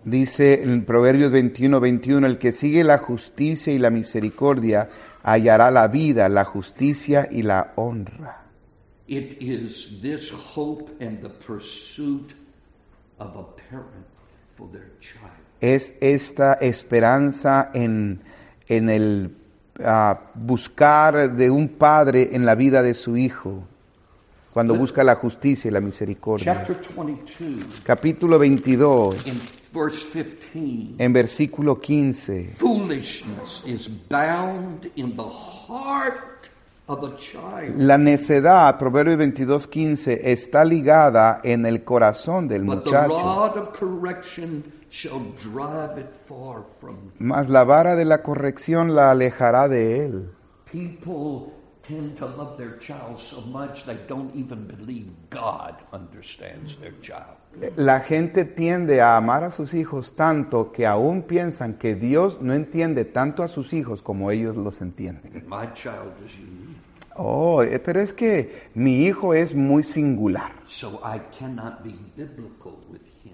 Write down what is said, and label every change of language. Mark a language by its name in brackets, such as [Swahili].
[Spanish] Dice en Proverbios 21:21, el que sigue la justicia y la misericordia hallará la vida, la justicia y la honra. [English] It is this hope and the pursuit of a parent for their child. [Spanish] Es esta esperanza en el buscar de un padre en la vida de su hijo. Cuando busca la justicia y la misericordia. [English] Chapter 22, [Spanish] capítulo 22. [English] In verse 15, [Spanish] en versículo 15. [English] Foolishness is bound in the heart of a child. [Spanish] La necedad, Proverbios 22, 15, está ligada en el corazón del muchacho. [English] But the rod of correction shall drive it far from him. [Spanish] Mas la vara de la corrección la alejará de él. [English] People tend to love their child so much they don't even believe God understands their child. [Spanish] La gente tiende a amar a sus hijos tanto que aún piensan que Dios no entiende tanto a sus hijos como ellos los entienden. [English] My child is unique. [Spanish] Oh, pero es que mi hijo es muy singular. [English] So I cannot be biblical with him.